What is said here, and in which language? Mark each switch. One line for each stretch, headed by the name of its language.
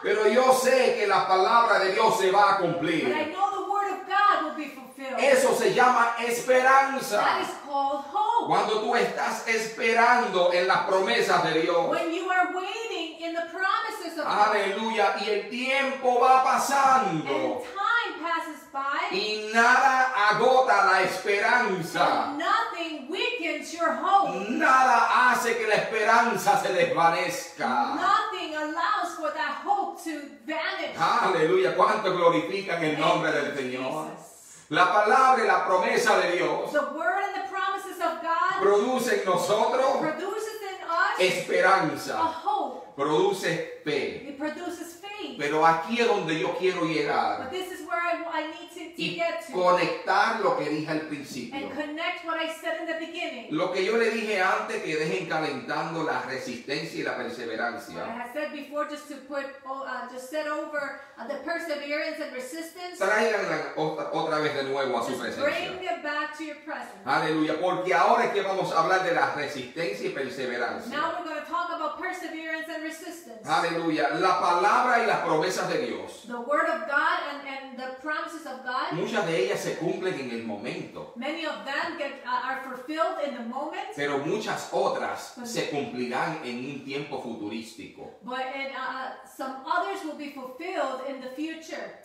Spanish: pero yo sé que la palabra de Dios se va a cumplir.
English: But I know the word of God will be fulfilled.
Spanish: Eso se llama esperanza.
English: That is called hope.
Spanish: Cuando tú estás esperando en las promesas de Dios.
English: When you are waiting in the promises of God.
Spanish: Aleluya. Y el tiempo va pasando.
English: And time passes by.
Spanish: Y nada agota la esperanza.
English: And nothing weakens your hope.
Spanish: Nada hace que la esperanza se desvanezca.
English: Nothing allows for that hope to vanish.
Spanish: Aleluya. ¿Cuánto glorifican el nombre del Señor? La palabra y la promesa de Dios.
English: The word and the promises of God
Spanish: produce en nosotros
English: produces in us
Spanish: esperanza.
English: A hope.
Spanish: Produce fe.
English: It produces faith.
Spanish: Pero aquí es donde yo quiero llegar.
English: But this is where I need to get to.
Spanish: Conectar lo que dije al principio.
English: And connect what I said in the beginning.
Spanish: Lo que yo le dije antes, que dejen calentando la resistencia y la perseverancia.
English: What I said before, just to put, just set over the perseverance and resistance.
Spanish: Traiganla otra vez de nuevo a su presencia.
English: Bring them back to your presence.
Spanish: Aleluya, porque ahora es que vamos a hablar de la resistencia y perseverancia.
English: Now we're going to talk about perseverance and resistance.
Spanish: Aleluya, la palabra y las promesas de Dios.
English: The word of God and the promises of God.
Spanish: Muchas de ellas se cumplen en el momento.
English: Many of them are fulfilled in the moment.
Spanish: Pero muchas otras se cumplirán en un tiempo futurístico.
English: But some others will be fulfilled in the future.